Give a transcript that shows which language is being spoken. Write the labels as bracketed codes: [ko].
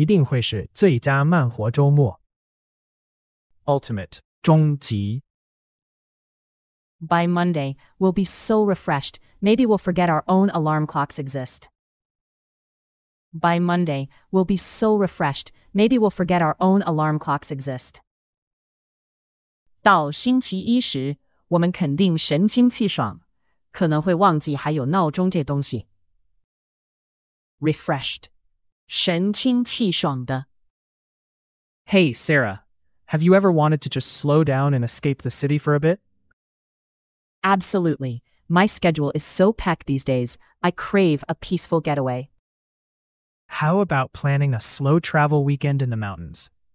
[zh] 成交。你只能敷泥面膜,不能敷豆腐。这一定会是最佳慢活周末。 [en] Ultimate. [zh] 终极。 [en] By Monday, we'll be so refreshed, maybe we'll forget our own alarm clocks exist. By Monday, we'll be so refreshed, maybe we'll forget our own alarm clocks exist. [zh] 到星期一时,我们肯定神清气爽,可能会忘记还有闹钟这东西。Refreshed. 神清气爽的. [en] Hey, Sarah. Have you ever wanted to just slow down and escape the city for a bit? Absolutely. My schedule is so packed these days, I crave a peaceful getaway. How about planning a slow travel weekend in the mountains?